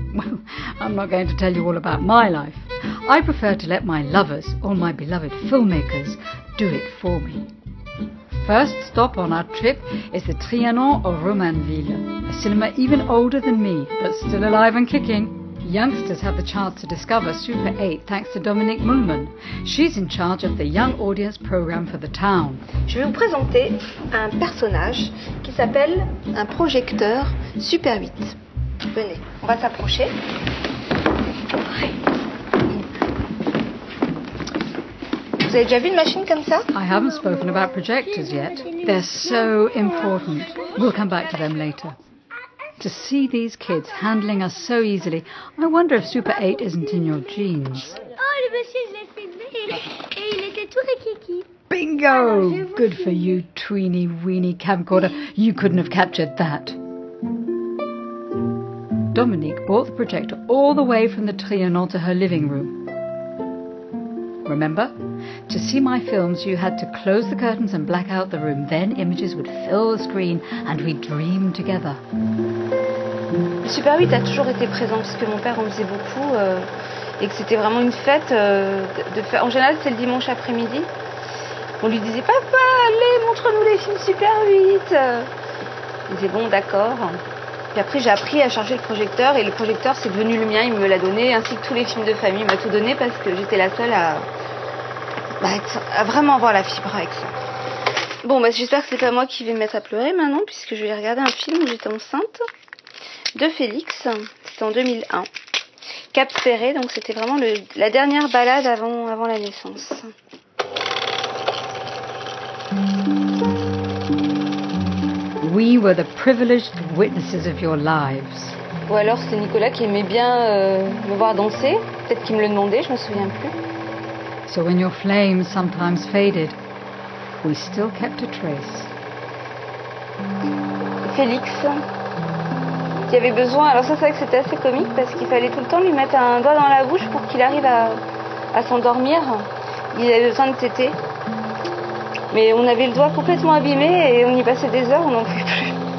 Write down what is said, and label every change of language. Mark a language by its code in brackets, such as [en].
[en] Well, I'm not going to tell you all about my life. I prefer to let my lovers, all my beloved filmmakers, do it for me. First stop on our trip is the Trianon of Romainville, a cinema even older than me, but still alive and kicking. Youngsters have the chance to discover Super 8 thanks to Dominique Mühlmann. She's in charge of the Young Audience program for the town. [fr] Je vais vous présenter un personnage qui s'appelle un projecteur Super 8. Venez, on va s'approcher. Vous avez déjà vu une machine comme ça? [en] I haven't spoken about projectors yet. They're so important. We'll come back to them later. To see these kids handling us so easily, I wonder if Super 8 isn't in your genes. [fr] Oh, le monsieur l'a filmé. Et il était tout rikiki. [en] Bingo! Good for you, tweeny weeny camcorder. You couldn't have captured that. Dominique brought the projector all the way from the Trianon to her living room. Remember? To see my films, you had to close the curtains and black out the room. Then images would fill the screen and we'd dream together. [fr] Super 8 a toujours été présent parce que mon père en faisait beaucoup et que c'était vraiment une fête. En général, c'est le dimanche après-midi. On lui disait, papa, allez, montre-nous les films Super 8. Il disait, bon, d'accord. Puis après, j'ai appris à charger le projecteur et le projecteur, c'est devenu le mien. Il me l'a donné, ainsi que tous les films de famille. Il m'a tout donné parce que j'étais la seule à vraiment voir la fibre avec ça. Bon, j'espère que c'est pas moi qui vais me mettre à pleurer maintenant puisque je vais regarder un film où j'étais enceinte. De Félix, c'était en 2001. Cap Ferré, donc c'était vraiment la dernière balade avant la naissance. [en] We were the privileged witnesses of your lives. [fr] Ou alors c'est Nicolas qui aimait bien me voir danser. Peut-être qu'il me le demandait, je me souviens plus. [en] So when your flame sometimes faded, we still kept a trace. Félix. [fr] Il y avait besoin, alors ça c'est vrai que c'était assez comique parce qu'il fallait tout le temps lui mettre un doigt dans la bouche pour qu'il arrive à s'endormir. Il avait besoin de téter. Mais on avait le doigt complètement abîmé et on y passait des heures, on n'en pouvait plus.